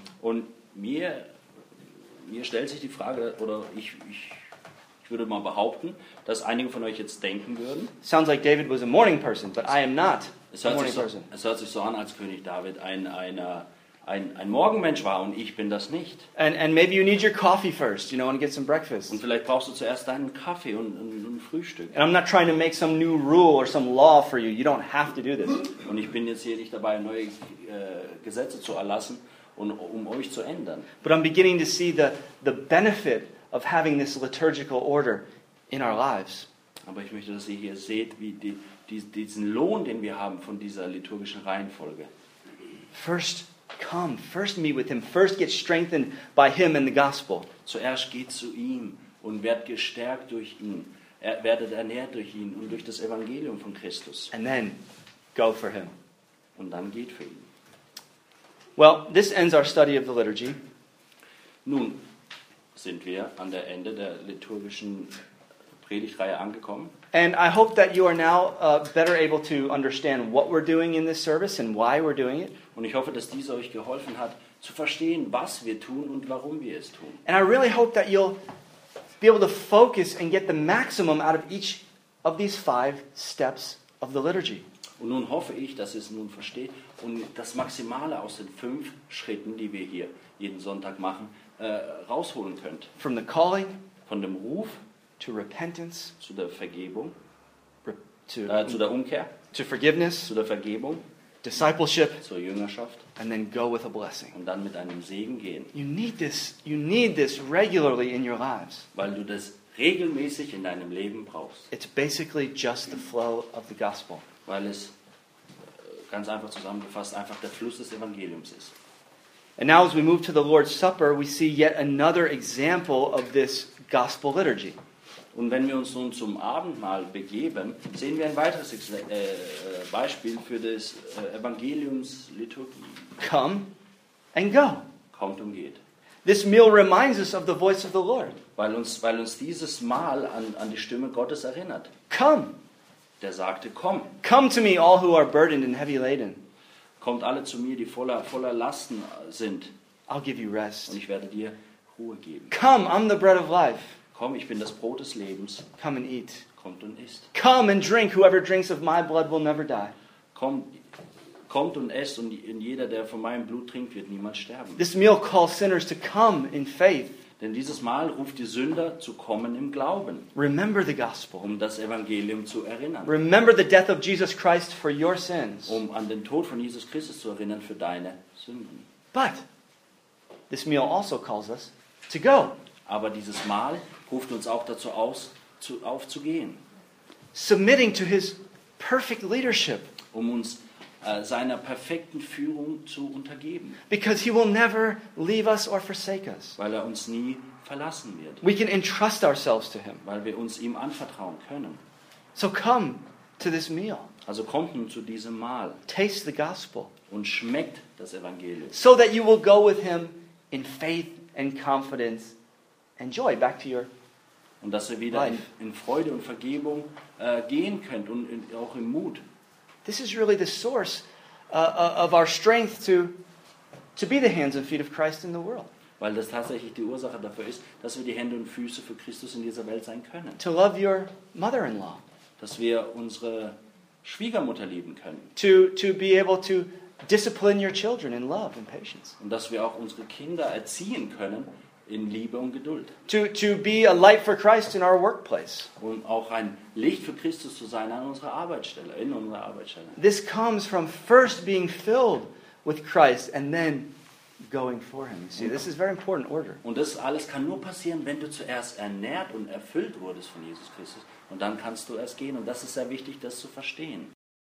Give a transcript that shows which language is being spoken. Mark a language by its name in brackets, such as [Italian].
[German] Und mir stellt sich die Frage, oder ich würde mal behaupten, dass einige von euch jetzt denken würden. [English] Sounds like David was a morning person, but I am not a morning person. [German] Es hört sich so an, als König David ein Morgenmensch war und ich bin das nicht. [English] And maybe you need your coffee first, you know, and get some breakfast. [German] Und vielleicht brauchst du zuerst deinen Kaffee und ein Frühstück. [English] And I'm not trying to make some new rule or some law for you. You don't have to do this. [German] Und ich bin jetzt hier nicht dabei, neue Gesetze zu erlassen und um euch zu ändern. [English] But I'm beginning to see the benefit of having this liturgical order in our lives. [German] Aber ich möchte, dass ihr hier seht, wie diesen Lohn, den wir haben von dieser liturgischen Reihenfolge. [English] First come, first meet with him, first get strengthened by him and the gospel. [German] Zuerst geht zu ihm und werd gestärkt durch ihn. Er werdet ernährt durch ihn und durch das Evangelium von Christus. [English] And then, go for him. [German] Und dann geht für ihn. [English] Well, this ends our study of the liturgy. [German] Nun sind wir an der Ende der liturgischen Predigtreihe angekommen. [English] And I hope that you are now better able to understand what we're doing in this service and why we're doing it. [German] Und ich hoffe, dass dies euch geholfen hat, zu verstehen, was wir tun und warum wir es tun. [English] And I really hope that you'll be able to focus and get the maximum out of each of these five steps of the liturgy. [German] Und nun hoffe ich, dass ihr es nun versteht und das Maximale aus den fünf Schritten, die wir hier jeden Sonntag machen, rausholen könnt. [English] From the calling, [German] von dem Ruf, [English] to repentance, [German] zu der Vergebung, zu der Umkehr, [English] to forgiveness, [German] zu der Vergebung, [English] discipleship, [German] zur Jüngerschaft, [English] and then go with a blessing. [German] Und dann mit einem Segen gehen. [English] You need this regularly in your lives. [German] Weil du das regelmäßig in deinem Leben brauchst. [English] It's basically just the flow of the gospel. [German] Weil es ganz einfach zusammengefasst einfach der Fluss des Evangeliums ist. [English] And now as we move to the Lord's Supper, we see yet another example of this gospel liturgy. [German] Und wenn wir uns nun zum Abendmahl begeben, sehen wir ein weiteres Beispiel für das Evangeliumsliturgie. [English] Come and go. [German] Kommt und geht. [English] This meal reminds us of the voice of the Lord. [German] Weil uns dieses Mahl an die Stimme Gottes erinnert. [English] Come. [German] Der sagte, komm. [English] Come to me, all who are burdened and heavy laden. [German] Kommt alle zu mir, die voller Lasten sind. [English] I'll give you rest. [German] Und ich werde dir Ruhe geben. [English] Come, I'm the bread of life. [German] Komm, ich bin das Brot des Lebens. [English] Come and eat. [German] Kommt und isst. [English] Come and drink. Whoever drinks of my blood will never die. [German] Kommt und esst, und jeder, der von meinem Blut trinkt, wird niemals sterben. [English] This meal calls sinners to come in faith. [German] Denn dieses Mal ruft die Sünder zu kommen im Glauben. [English] Remember the gospel. [German] Um das Evangelium zu erinnern. [English] Remember the death of Jesus Christ for your sins. [German] Um an den Tod von Jesus Christus zu erinnern für deine Sünden. [English] But this meal also calls us to go. [German] Aber dieses Mal ruft uns auch dazu aus, aufzugehen. [English] Submitting to his perfect leadership. [German] Um uns seiner perfekten Führung zu untergeben. [English] Because he will never leave us or forsake us. [German] Weil er uns nie verlassen wird. [English] We can entrust ourselves to him. [German] Weil wir uns ihm anvertrauen können. [English] So come to this meal. [German] Also kommt nun zu diesem Mahl. [English] Taste the gospel. [German] Und schmeckt das Evangelium. [English] So that you will go with him in faith and confidence and joy back to your [German] Und dass ihr wieder in Freude und Vergebung gehen könnt und auch im Mut. [English] This is really the source of our strength to be the hands and feet of Christ in the world. [German] Weil das tatsächlich die Ursache dafür ist, dass wir die Hände und Füße für Christus in dieser Welt sein können. [English] To love your mother-in-law. [German] Dass wir unsere Schwiegermutter lieben können. [English] To be able to discipline your children in love and patience. [German] Und dass wir auch unsere Kinder erziehen können in Liebe und Geduld. [English] To be a light for Christ in our workplace. [German] Und auch ein Licht für Christus zu sein an unserer Arbeitsstelle, in unserer Arbeitsstelle. [English] This comes from first being filled with Christ and then going for him. See, this is very important order. [German] Und das alles kann nur passieren, wenn du zuerst ernährt und erfüllt wurdest von Jesus Christus, und dann kannst du erst gehen, und das ist sehr wichtig, das zu verstehen.